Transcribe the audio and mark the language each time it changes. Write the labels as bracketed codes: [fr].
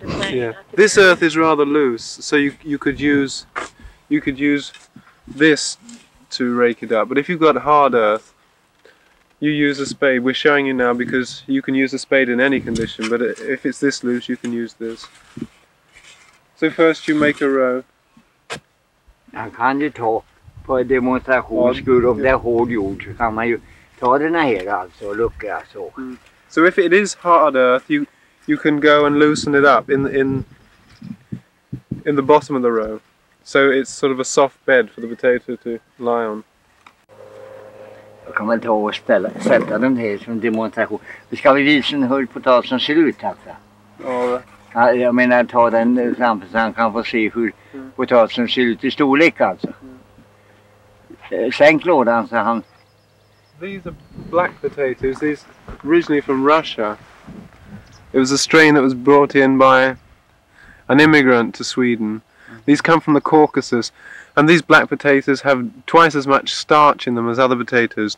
[en] Yeah. This earth is rather loose, so you could use this to rake it up. But if you've got hard earth, you use a spade. We're showing you now because you can use a spade in any condition, but if it's this loose, you can use this. So first you make a row. [sv] Man kan ju ta på demonstrationsskull, om det är hård jord, så kan man ju ta den här alltså och lucka så. [en] So if it is hard earth, you can go and loosen it up in the bottom of the row. So it's sort of a soft bed for the potato to lie on. [sv] Då kan man ta och sätta den här som demonstration. Då ska vi visa en hur potatisen ser ut alltså. Ja. Jag menar ta den framför så han kan få se hur potatisen ser ut i storlek alltså. Sänk lådan så han... [en] These are black potatoes. These originally from Russia. It was a strain that was brought in by an immigrant to Sweden. These come from the Caucasus, and these black potatoes have twice as much starch in them as other potatoes.